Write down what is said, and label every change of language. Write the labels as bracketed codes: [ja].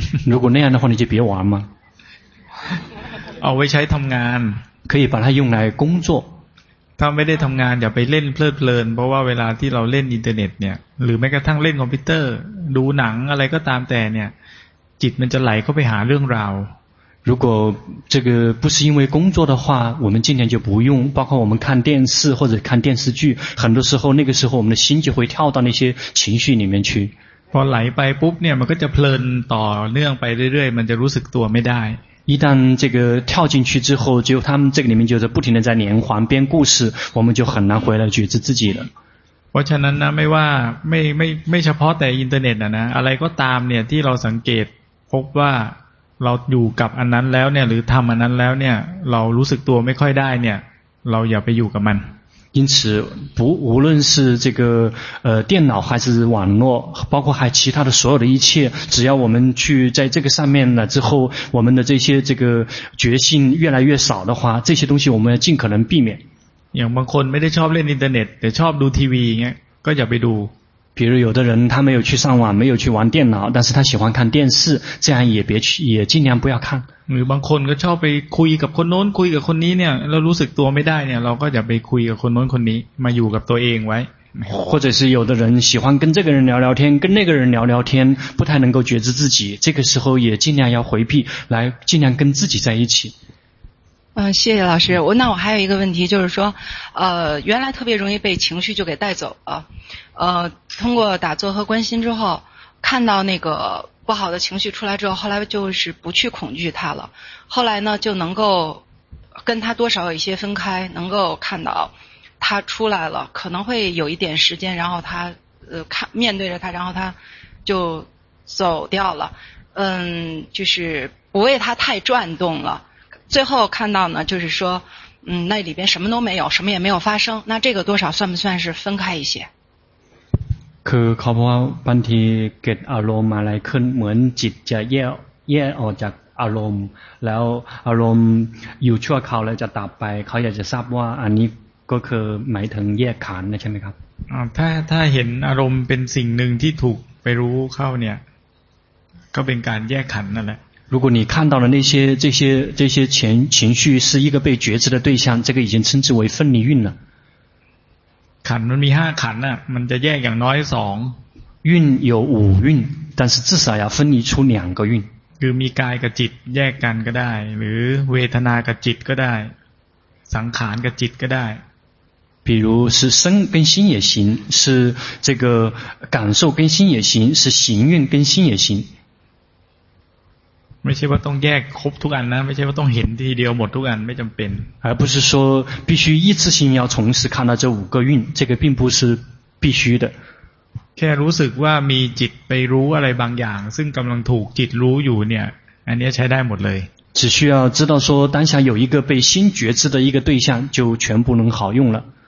[th] รู้กูแน่นะคนนี้จะเปียกหวานมา เอาไว้ใช้ทำงาน [zh] 可以把它用来工作 [th] ถ้าไม่ได้ทำงานอย่าไปเล่นเพลิดเพลินเพราะว่าเวลาที่เราเล่นอินเทอร์เน็ตเนี่ยหรือแม้กระทั่งเล่นคอมพิวเตอร์ดูหนังอะไรก็ตามแต่เนี่ยจิตมันจะไหลเข้าไปหาเรื่องราว [zh] 如果这个不是因为工作的话我们尽量就不用包括我们看电视或者看电视剧很多时候那个时候我们的心就会跳到那些情绪里面去 [th] พอไหลไปปุ๊บเนี่ยมันก็จะเพลินต่อเนื่องไปเรื่อยๆมันจะรู้สึกตัวไม่ได้ [zh] 一旦这个跳进去之后就他们这个里面就是不停的在连环编故事我们就很难回来觉知自己了 [th] เพราะฉะนั้นนะไม่ว่าไม่เฉพาะแต่อินเทอร์เน็ตนะอะไรก็ตามเนี่ยที่เราสังเกตพบว่าเราอยู่กับอันนั้นแล้วเนี่ยหรือทำอันนั้นแล้วเนี่ยเรารู้สึกตัวไม่ค่อยได้เนี่ยเราอย่าไปอยู่กับมัน [zh] 因此不无论是这个电脑还是网络包括还其他的所有的一切只要我们去在这个上面了之后我们的这些这个觉性越来越少的话这些东西我们要尽可能避免 [th] อย่างบางคนไม่ได้ชอบเล่นอินเทอร์เน็ตแต่ชอบดูทีวีอย่างเงี้ยก็อย่าไปดู [zh] 比如有的人他没有去上网没有去玩电脑但是他喜欢看电视这样也别去也尽量不要看 [th] หรือบางคนก็ชอบไปคุยกับคนโน้นคุยกับคนนี้เนี่ยแล้วรู้สึกตัวไม่ได้เนี่ยเราก็อย่าไปคุยกับคนโน้นคนนี้มาอยู่กับตัวเองไว้ [zh] 或者是有的人喜欢跟这个人聊聊天跟那个人聊聊天不太能够觉知自己这个时候也尽量要回避来尽量跟自己在一起谢谢老师那我还有一个问题就是说原来特别容易被情绪就给带走了通过打坐和关心之后看到那个不好的情绪出来之后后来就是不去恐惧它了后来呢就能够跟它多少有一些分开能够看到它出来了可能会有一点时间然后它看面对着它然后它就走掉了就是不为它太转动了最后看到呢就是说那里边什么都没有什么也没有发生那这个多少算不算是分开一些 [th] คือเขาบอกว่าบางทีเกิดอารมณ์อะไรขึ้นเหมือนจิตจะแยกออกจากอารมณ์แล้วอารมณ์อยู่ชั่วคราวแล้วจะดับไปเขาอยากจะทราบว่าอันนี้ก็คือหมายถึงแยกขันธ์นะใช่ไหมครับ ถ้าเห็นอารมณ์เป็นสิ่งหนึ่งที่ถูกไปรู้เข้าเนี่ยก็เป็นการแยกขันธ์นั่นแหละ [zh] 如果你看到了那些这些情绪是一个被觉知的对象，这个已经称之为分离运了。 [th] ขันธ์มันมีห้าขันธ์น่ะมันจะแยกอย่างน้อยสอง [zh] 运有五运，但是至少要分离出两个运。 [th] คือมีกายกับจิตแยกกันก็ได้หรือเวทนากับจิตก็ได้สังขารกับจิตก็ได้ [zh] 比如是身跟心也行，是这个感受跟心也行，是行运跟心也行。没事吧？东家哭突然呢？没事吧？东很低调，没突然，没怎么变。而不是说必须一次性要同时看到这五个运，这个并不是必须的。 [th] แค่รู้สึกว่ามีจิตไปรู้อะไรบางอย่างซึ่งกำลังถูกจิตรู้อยู่เนี่ยอันนี้ใช้ได้หมดเลย。 [zh] 只需要知道说当下有一个被心觉知的一个对象，就全部能好用了。